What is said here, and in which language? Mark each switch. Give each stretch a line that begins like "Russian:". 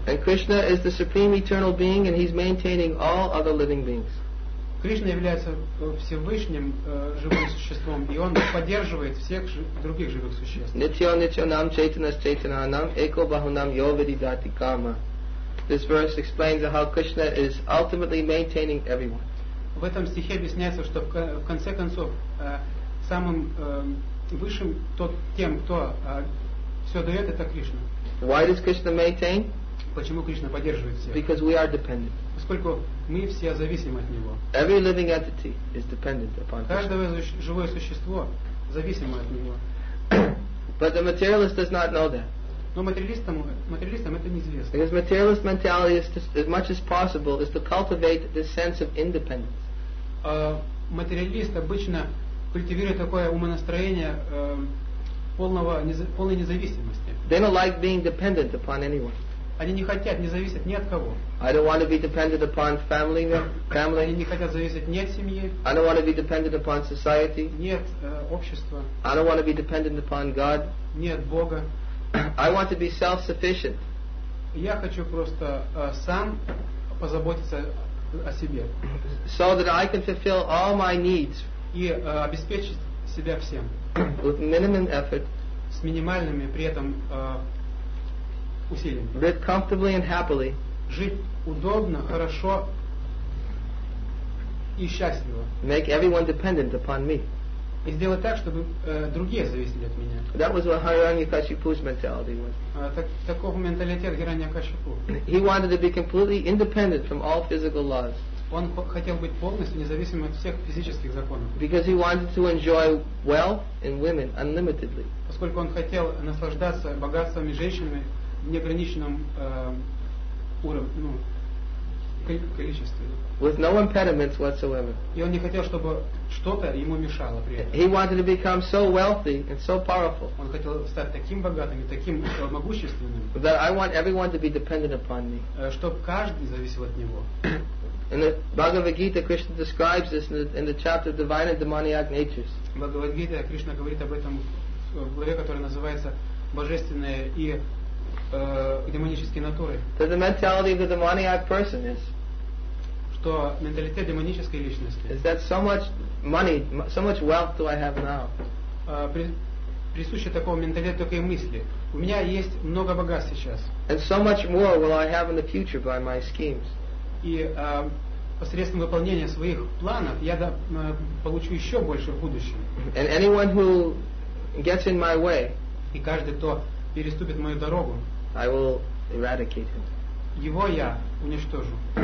English: And Krishna is the supreme eternal being, and he's maintaining all other living beings.
Russian: Кришна является Всевышним живым существом, и Он поддерживает всех других живых существ.
Sanskrit: Нитьо нитьо нам чайтана чайтана нам эко бахунам йо виридати карма.
English: This verse explains how Krishna is ultimately maintaining everyone.
Russian: В этом стихе объясняется, что в конце концов самым высшим тем, кто все дает, это Кришна.
English: Why does Krishna maintain?
Russian: Почему Кришна поддерживает всех?
English: Because we are dependent.
Russian: Поскольку мы все зависим от Него.
English: Every living entity is dependent upon Krishna.
Russian: Каждое живое существо зависимо от Него.
English: But the materialist does not know that.
Russian: Но материалистам это неизвестно.
English: Because materialist mentality is to, as much as possible is to cultivate this sense of independence.
Russian: Материалист обычно культивирует такое умонастроение полной независимости.
English: They don't like being dependent upon anyone.
Russian: Они не хотят, не зависят ни от кого.
English: I don't want to be dependent upon family.
Russian: Они не хотят зависеть ни от семьи.
English: I don't want to be dependent upon society.
Russian: Нет общества.
English: I don't want to be dependent upon God.
Russian: Нет Бога.
English: I want to be self-sufficient.
Russian: Я хочу просто сам позаботиться о себе.
English: So that I can fulfill all my needs.
Russian: И обеспечить себя всем.
English: With minimum effort.
Russian: С минимальными при этом усилиями.
English: Live comfortably and happily.
Russian: Жить удобно, хорошо и счастливо.
English: Make everyone dependent upon me.
Russian: И сделать так, чтобы другие зависели от меня.
English: That was what Hiranyakashipu's mentality was.
Russian: Таков менталитет Хираньякашипу.
English: He wanted to be completely independent from all physical laws.
Russian: Он хотел быть полностью независимым от всех физических законов.
English: Because he wanted to enjoy wealth and women unlimitedly.
Russian: Поскольку он хотел наслаждаться богатствами женщинами в неограниченном уровне, количестве.
English: With no impediments whatsoever.
Russian: И он не хотел, чтобы что-то ему мешало при этом.
English: He wanted to become so wealthy and so powerful.
Russian: Он хотел стать таким богатым и таким могущественным.
English: That I want everyone to be dependent upon me.
Russian: Чтобы каждый зависел от него.
English: In the Bhagavad Gita, Krishna describes this in the chapter Divine and Demoniac Natures.
Russian: Bhagavad Gita, Krishna говорит об этом в главе, которая называется Божественное и демонические натуры.
English: That the mentality of the demoniac person is.
Russian: Что менталитет демонической личности.
English: Is that so much money, so much wealth do I have now?
Russian: Присуще такого менталитета только и мысли. У меня есть много богатств сейчас.
English: And so much more will I have in the future by my schemes.
Russian: И посредством выполнения своих планов я получу еще больше в будущем.
English: And anyone who gets in my way.
Russian: И каждый, кто переступит мою дорогу.
English: I will eradicate him.
Russian: Его я уничтожу.